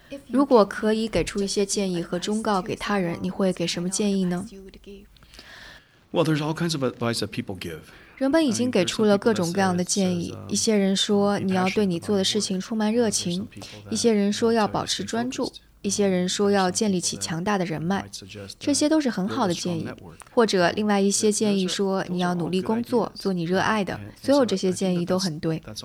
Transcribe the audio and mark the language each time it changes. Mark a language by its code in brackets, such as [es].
[zh] 如果可以给出一些建议和忠告给他人，你会给什么建议呢？ [en] Well, there's all kinds of advice that people give. [zh] 人们已经给出了各种各样的建议，一些人说你要对你做的事情充满热情，一些人说要保持专注，一些人说要建立起强大的人脉，这些都是很好的建议。或者另外一些建议说你要努力工作，做你热爱的，所有这些建议都很对。